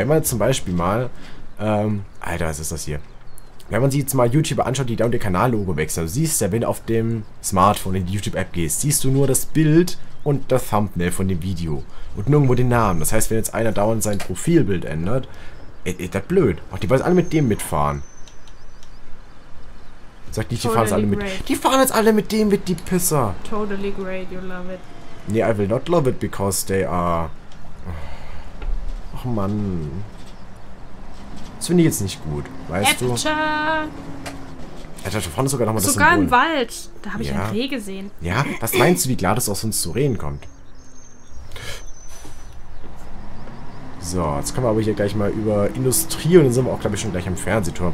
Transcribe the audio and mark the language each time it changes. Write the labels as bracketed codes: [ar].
[de] Wenn man zum Beispiel mal... Alter, was ist das hier? Wenn man sich jetzt mal YouTube anschaut, die da und ihr Kanallogo wechseln, siehst du ja, wenn du auf dem Smartphone in die YouTube-App gehst, siehst du nur das Bild und das Thumbnail von dem Video und nirgendwo den Namen. Das heißt, wenn jetzt einer dauernd sein Profilbild ändert, ist das blöd. Auch die wollen alle mit dem mitfahren. Sag nicht, die fahren jetzt alle mit. Die fahren jetzt alle mit dem mit, die Pisser. [en] Totally great, you love it. Nee, I will not love it, because they are... [de] Ach, Mann. Das finde ich jetzt nicht gut, weißt du? Alter, da vorne sogar noch mal das Symbol. Sogar im Wald. Da habe ich ja einen Reh gesehen. Ja? Was meinst du, wie klar das aus uns zu reden kommt? So, jetzt können wir aber hier gleich mal über Industrie, und dann sind wir auch, glaube ich, schon gleich am Fernsehturm.